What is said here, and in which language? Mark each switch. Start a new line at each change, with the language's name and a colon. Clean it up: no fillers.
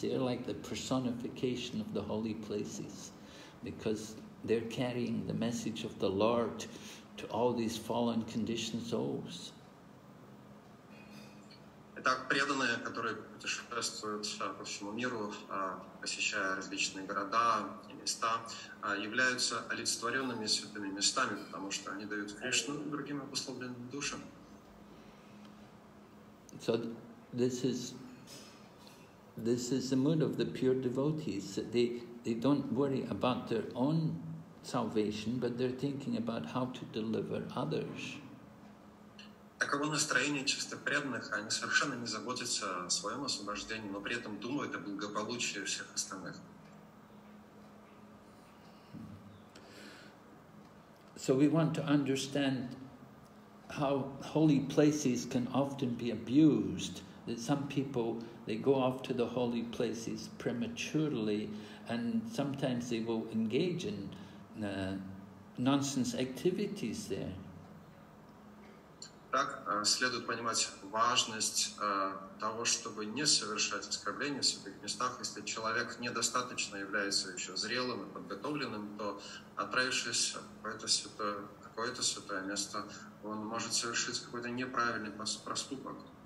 English: They're like the personification of the holy places, because they're carrying the message of the Lord to all these fallen conditioned souls.
Russian: Итак, преданные, которые путешествуют по всему миру, посещая различные города и места, являются олицетворенными святыми местами, потому что они дают Кришну другим обусловленным душам.
English: So this is the mood of the pure devotees, that they don't worry about their own salvation, but they're thinking about how to deliver others.
Russian: Таково настроение чисто преданных, они совершенно не заботятся о своем освобождении, но при этом думают о благополучии всех остальных.
English: So we want to understand how holy places can often be abused, that some people, they go off to the holy places prematurely, and sometimes they will engage in nonsense activities there.
Russian: Так следует понимать важность того, чтобы не совершать оскорбления в святых местах. Если человек недостаточно является еще зрелым и подготовленным, то отправившись в какое-то святое место, он может совершить какой-то неправильный проступок.